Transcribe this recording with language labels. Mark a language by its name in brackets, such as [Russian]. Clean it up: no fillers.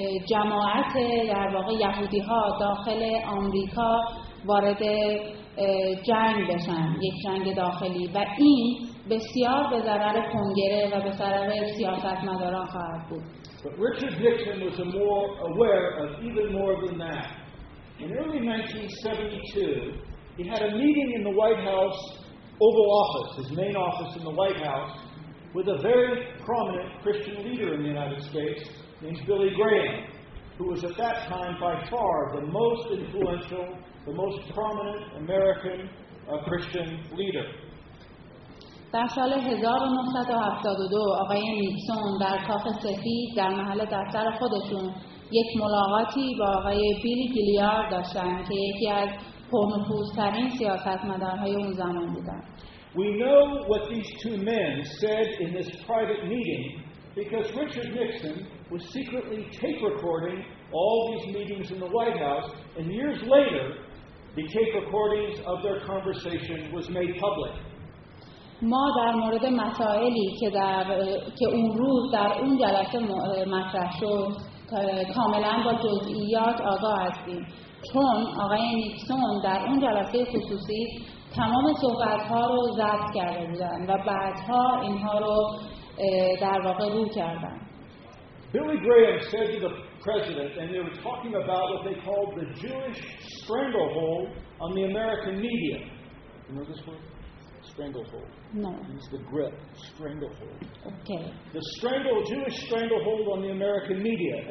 [Persian] جماعت در واقع یهودی‌ها داخل آمریکا وارد جنگ بشن، یک جنگ داخلی، و این بسیار به ضرر کنگره و به ضرر سیاستمداران خواهد بود. [English] But Richard Nixon was more aware of even more than that. In early 1972, he had a meeting in the White House Oval Office, his main office in the White House, with a very prominent Christian leader in the United States named Billy Graham, who was at that time by far the most influential, the most prominent American Christian leader. [Persian] در سال 1972 آقای نیکسون در کاخ سفید در محل دفتر خودشون یک ملاقاتی با آقای بیلی گیلیارد داشتن که یکی از پرنفوذترین سیاستمدارهای اون زمان بودن. [English] We know what these two men said in this private meeting because Richard Nixon was secretly tape recording all these meetings in the White House, and years later the tape recordings of their conversation was made public. [Persian] ما در مورد مسائلی که در که اون روز در اون جلسه مطرح شد کاملا با جزئیات آگاه هستیم، چون آقای نیکسون در اون جلسه خصوصی تمام صحبت‌ها رو ضبط کرده بودن و بعدها اینها رو در واقع رو کردن. [English] Billy Graham said to the president, and they were talking about what they called the Jewish stranglehold on the American media. You know this word? Stranglehold. No. It's the grip. Stranglehold. Okay. The Jewish stranglehold on the American media.